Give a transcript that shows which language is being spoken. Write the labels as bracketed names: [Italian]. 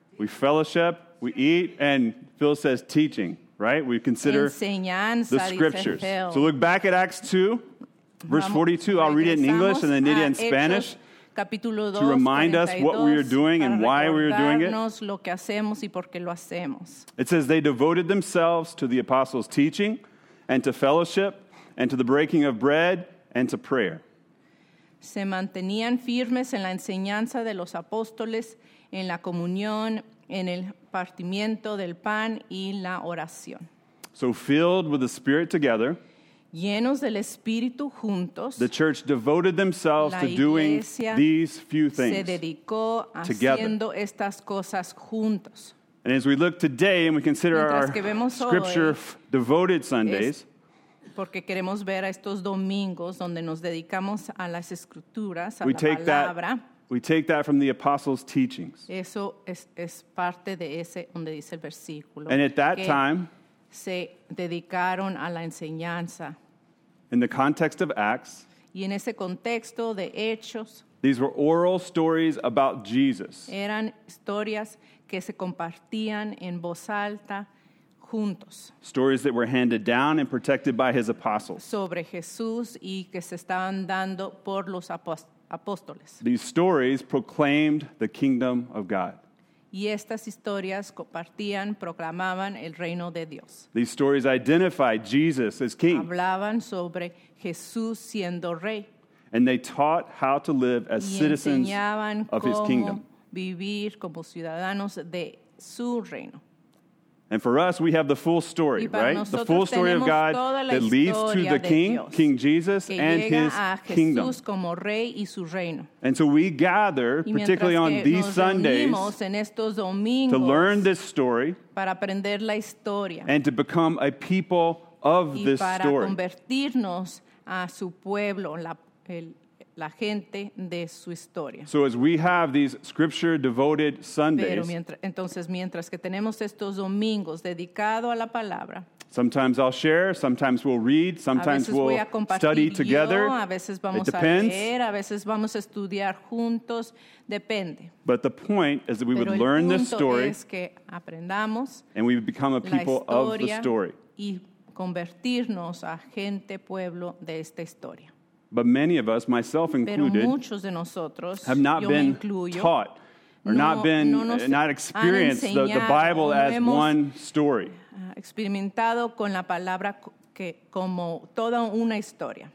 [English] We fellowship, we eat, and Phil says teaching, right? We consider [Spanish] enseñanza, [English] the scriptures. [Spanish] Dice Phil. [English] So look back at Acts 2, verse 42. I'll read it in English and then Nidia in Spanish. [Spanish] Capítulo 2, [English] to remind [Spanish] 42, [English] us what we are doing and why we are doing it. [Spanish] Lo que hacemos y por qué lo hacemos. [English] It says they devoted themselves to the apostles' teaching and to fellowship and to the breaking of bread and to prayer. [Spanish] Se mantenían firmes en la enseñanza de los apóstoles, en la comunión, en el partimiento del pan y la oración. [English] So filled with the Spirit together. [Spanish] Llenos del Espíritu juntos, [English] the church devoted themselves to doing these few things [Spanish] se dedicó together. Haciendo estas cosas juntos. [English] And as we look today and we consider [Spanish] mientras [English] our scripture devoted Sundays, [Spanish] porque queremos ver a estos domingos donde nos dedicamos a las escrituras, [English] we [Spanish] a la take palabra. [English] We take that from the apostles' teachings. [Spanish] Eso es parte de ese donde dice el versículo. [English] And at that time, [Spanish] se dedicaron a la enseñanza. [English] In the context of Acts, [Spanish] y en ese contexto de Hechos, [English] these were oral stories about Jesus. [Spanish] Eran historias que se compartían en voz alta juntos. [English] Stories that were handed down and protected by his apostles. [Spanish] Sobre Jesús y que se estaban dando por los apóstoles. [English] These stories proclaimed the kingdom of God. [Spanish] Y estas historias compartían, proclamaban el reino de Dios. [English] These stories identified Jesus as king. [Spanish] Hablaban sobre Jesús siendo rey. [English] And they taught how to live as citizens of his kingdom. [Spanish] Y enseñaban cómo vivir como ciudadanos de su reino. [English] And for us, we have the full story, right? The full story of God that leads to the King, [Spanish] Dios, [English] King Jesus, and his kingdom. [Spanish] Como rey y su reino. [English] And so we gather, particularly on these Sundays, [Spanish] en estos domingos, [English] to learn this story [Spanish] para aprender la historia, [English] and to become a people of [Spanish] y [English] this [Spanish] para [English] story. [Spanish] Convertirnos a su pueblo, la gente de su historia. [English] So as we have these scripture devoted Sundays, [Spanish] mientras que tenemos estos domingos dedicado a la palabra, [English] sometimes I'll share, sometimes we'll read, sometimes we'll study together. [Spanish] A veces vamos a leer, a veces vamos a estudiar juntos, depende. [English] But the point is that we would learn this story [Spanish] es que aprendamos [English] and we would become a people of the story. [Spanish] Y convertirnos a gente pueblo de esta historia. [English] But many of us, myself included, [Spanish] de nosotros, [English] have not been [Spanish] incluyo, [English] taught or [Spanish] no, [English] not been, no not experienced [Spanish] enseñado, [English] the Bible as one story. [Spanish] Experimentado con la palabra que, como toda una historia.